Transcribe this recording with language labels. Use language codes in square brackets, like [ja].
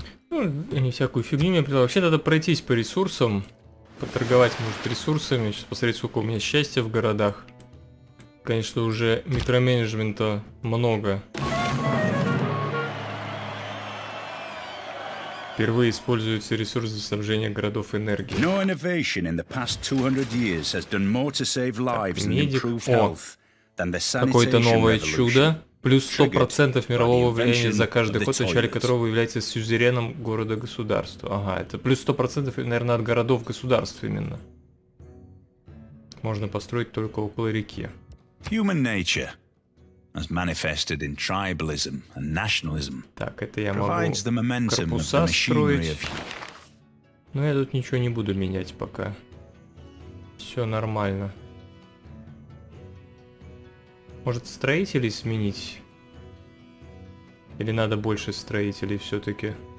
[ru] Ну, я не всякую фигню мне придал. Вообще надо пройтись по ресурсам, поторговать, может, ресурсами, сейчас посмотреть, сколько у меня счастья в городах. Конечно, уже микроменеджмента много. Впервые используется ресурс для снабжения городов энергии. [en] No innovation in the past 200 years has done more to save lives and improve health than the sanitation. [ru] Какое-то новое чудо. Плюс 100% мирового влияния за каждый ход, в начале которого является сюзереном города-государства. Ага, это плюс 100%, наверное, от городов-государств именно. Можно построить только около реки. [en] Human nature has manifested in tribalism and nationalism. [ru] Так, это я могу корпуса строить. Но я тут ничего не буду менять пока. Все нормально. Может, строителей сменить? Или надо больше строителей все-таки?